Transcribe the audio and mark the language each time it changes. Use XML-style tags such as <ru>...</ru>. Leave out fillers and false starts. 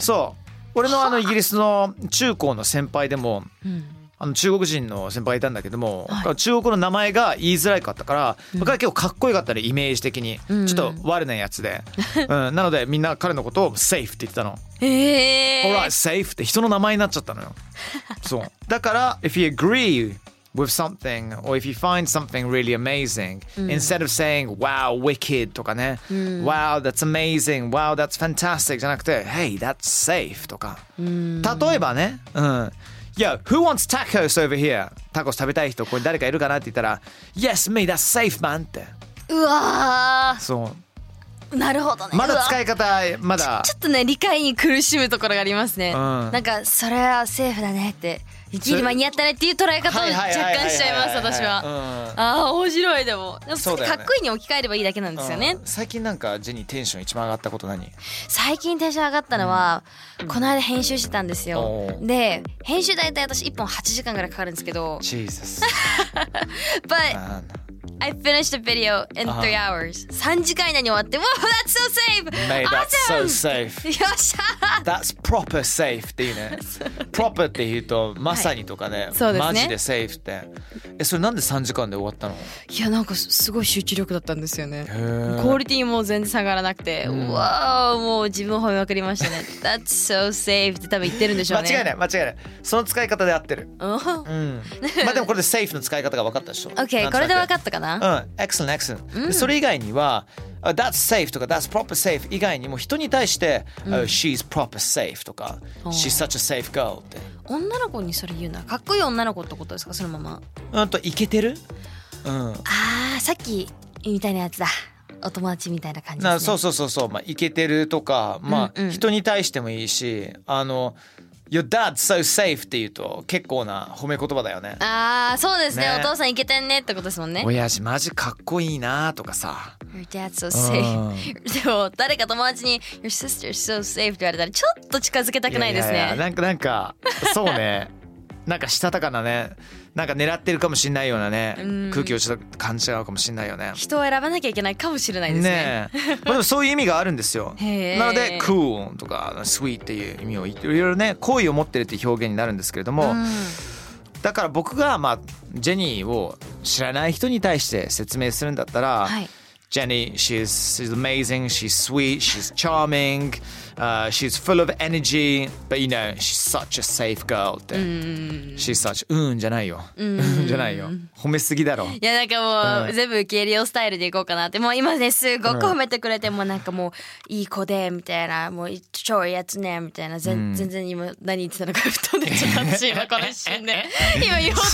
<ja>そう、俺のあのイギリスの中高の先輩でも、うん、あの中国人の先輩がいたんだけども、はい、中国の名前が言いづらいかったから、うん、僕は結構かっこよかったね、イメージ的に、うん、ちょっと悪なやつで、うん、なのでみんな彼のことを safe って言ってたの。へー、</ja> <en>Alright, safe</en> <ja>って人の名前になっちゃったのよそう、だから</ja> <en>If you agree with something or if you find something really amazing、うん、instead of saying Wow, wicked とかね、うん、Wow, that's amazing Wow, that's fantastic</en> <ja>じゃなくて</ja> <en>Hey, that's safe とか、</en> <ja>うん、</ja> <en>例えばね、うん、Yo, who wants tacos over here?</en> <ja>タコス食べたい人、ここに誰かいるかなって言ったら Yes, me, that's safe, man って。うわー、そう、なるほどね。まだ使い方、まだちょっとね、理解に苦しむところがありますね、うん、なんか、それはセーフだねって、ギリ間に合ったねっていう捉え方を若干しちゃいます、私は、うん、あー面白い。でもそうだよね、かっこいいに置き換えればいいだけなんですよね、うん、最近なんかジェニーテンション一番上がったこと何？最近テンション上がったのは、うん、この間編集してたんですよ、うん、で編集だいたい私1本8時間ぐらいかかるんですけど、ジーザス</ja> <en>But I finished a video in 3 hours、uh-huh.</en> <ja>3時間以内に終わって、</ja> <en>Wow, that's so safe! Mate, that's、 awesome! so safe!</en> <ja>よっしゃ、</ja> <en>That's proper safe</en> <ja>っていうね、Proper って言うとまさにとかね、そうですね、マジで safe って。え、それなんで3時間で終わったの？いや、なんかすごい集中力だったんですよね。へー、クオリティも全然下がらなくて、うん、わー、もう自分を褒めまくりましたね</ja> <en>That's so safe</en> <ja>って多分言ってるんでしょうね。間違いない、間違いない、その使い方で合ってる、うん、まあでもこれで safe の使い方が分かったでしょ。 OK、 これで分かったかな。うん、excellent, excellent、うん、それ以外には That's safe とか</ja> <en>That's proper safe</en> <ja>以外にも人に対して、うん、</ja> <en>oh, She's proper safe</en> <ja>とか</ja> <en>She's such a safe girl</en> <ja>って女の子にそれ言うな。かっこいい女の子ってことですか、そのまま。あとイケてる、うん、あー、さっきみたいなやつだ、お友達みたいな感じですね。そうそうそうそう、まあ、イケてるとか、まあ、うんうん、人に対してもいいし、あの</ja> <en>Your dad's so safe</en> <ja>って言うと結構な褒め言葉だよね。あー、そうです ね、お父さんイケてんねってことですもんね。親父マジかっこいいなとかさ。</ja> <en>Your dad's so safe、</en> <ja>うん、でも誰か友達に</ja> <en>Your sister's so safe</en> <ja>って言われたらちょっと近づけたくないですね。いやいやいや、なんかそうねなんかしたたかなね、なんか狙ってるかもしんないようなね、う空気をちょっと感じ合うかもしんないよね。人を選ばなきゃいけないかもしれないです ね、まあ、でもそういう意味があるんですよ。へ、なので Cool とか Sweet っていう意味をいろいろね、好意を持ってるっていう表現になるんですけれども、うん、だから僕が、まあ、ジェニーを知らない人に対して説明するんだったら、はい、</ja> <en>Jenny, she's amazing, she's sweet, she's charming, she's full of energy, but you know, she's such a safe girl.</en> <ja>って、うん、 she's such, うんじゃないよ、うんじゃないよ、褒めすぎだろ。いや、なんかもう、うん、全部受け入れようスタイルでいこうかなって。もう今ね、すごく褒めてくれて、うん、もうなんかもういい子でみたいな、もう超いいやつねみたいな、うん、全然今何言ってたのか吹っ飛んでちゃったし、今この瞬間で今言おうと</ja>